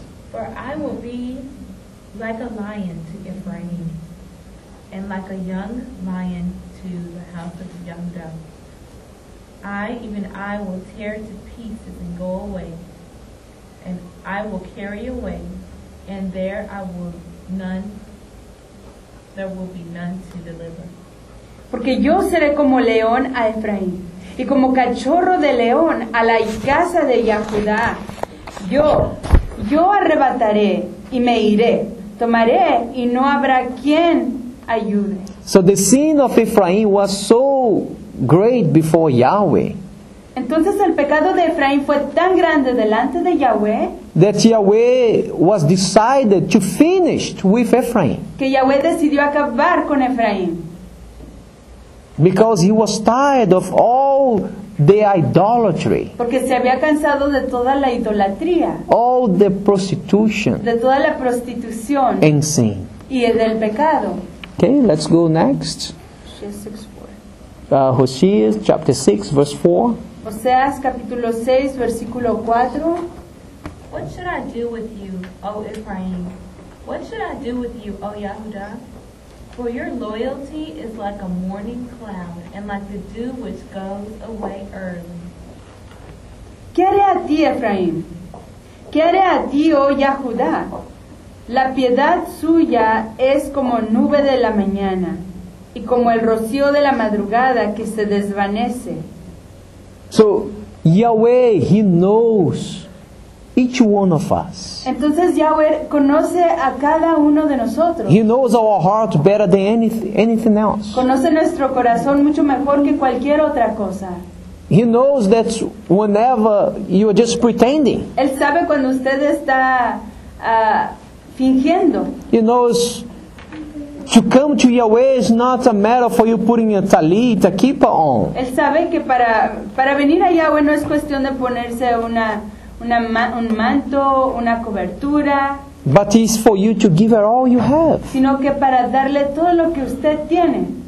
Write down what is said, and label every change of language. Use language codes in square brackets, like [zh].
[en] For I will be like a lion to Ephraim, and like a young lion to the house of Judah. I will tear to pieces and go away, and I will carry away, and there will be none to deliver. [es] Porque yo seré como león a Efraín, y como cachorro de león a la casa de Yahudá. Yo arrebataré y me iré, tomaré y no habrá quien ayude. [en] So the sin of Ephraim was so great before Yahweh. [es] Entonces el pecado de Efraín fue tan grande delante de Yahweh. [en] That Yahweh was decided to finish with Ephraim. [es] Que Yahweh decidió acabar con Efraín. [en] Because he was tired of all the idolatry. [es] Porque se había cansado de toda la idolatría. [en] All the prostitution. [es] De toda la prostitución. [en] And sin. [es] Y del pecado. [en] Okay, let's go next. Hosea 6:4. Hosea chapter 6 verse 4. [es] Hoseas capítulo 6 versículo 4. [en] What should I do with you, O Ephraim? What should I do with you, O Yahuda? For your loyalty is like a morning cloud and like the dew which goes away early. [es] ¿Qué haré a ti, Efraín? ¿Qué haré a ti, oh Yahudá? La piedad suya es como nube de la mañana y como el rocío de la madrugada que se desvanece. [en] So, Yahweh, he knows each one of us. [es] Entonces Yahweh conoce a cada uno de nosotros. [en] He knows our heart better than anything else. [es] Conoce nuestro corazón mucho mejor que cualquier otra cosa. [en] He knows that whenever you are just pretending. [es] Él sabe cuando usted está fingiendo. [en] He knows to come to Yahweh is not a matter for you putting a talit, a kippah on. [es] Él sabe que para venir a Yahweh no es cuestión de ponerse un manto, una cobertura. [en] But it's for you to give her all you have. [es] Sino que para darle todo lo que usted tiene.